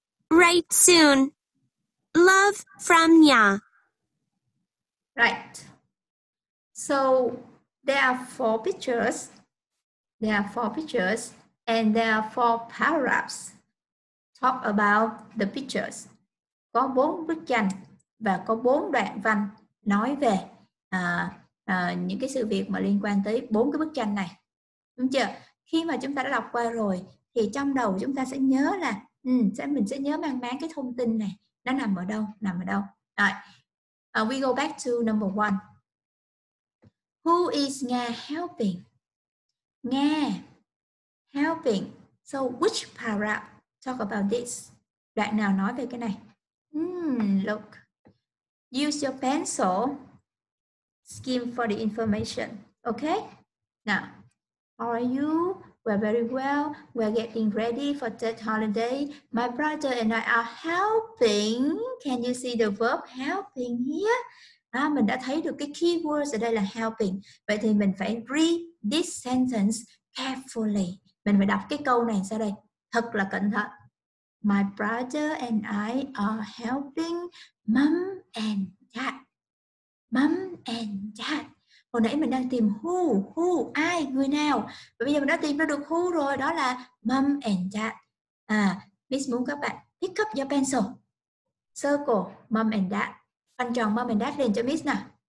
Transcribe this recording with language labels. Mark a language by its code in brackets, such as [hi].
[en] Right soon. Love from Nga. Right. So there are four pictures. There are four pictures and there are four paragraphs. Talk about the pictures. [vi] Có bốn bức tranh và có bốn đoạn văn nói về những cái sự việc mà liên quan tới bốn cái bức tranh này. Đúng chưa? Khi mà chúng ta đã đọc qua rồi thì trong đầu chúng ta sẽ nhớ là mình sẽ nhớ mang máng cái thông tin này nó nằm ở đâu? [en] Rồi. We go back to number one. Who is Nga helping? Nga helping. So which paragraph talk about this? [vi] Đoạn nào nói về cái này? [en] Look. Use your pencil. Skim for the information. Okay? Now, how are you? We're very well. We're getting ready for third holiday. My brother and I are helping. Can you see the verb helping here? [vi] À, mình đã thấy được cái keywords ở đây là helping. Vậy thì mình phải [en] read this sentence carefully. [vi] Mình phải đọc cái câu này sau đây thật là cẩn thận. [en] My brother and I are helping mom and dad. Mom and dad. [vi] Hồi nãy mình đang tìm who, ai, người nào. Và bây giờ mình đã tìm ra được who rồi, đó là mom and dad. À, Miss muốn các bạn [en] pick up your pencil. Circle mom and dad. [vi] Vòng tròn mom and dad lên cho Miss nào.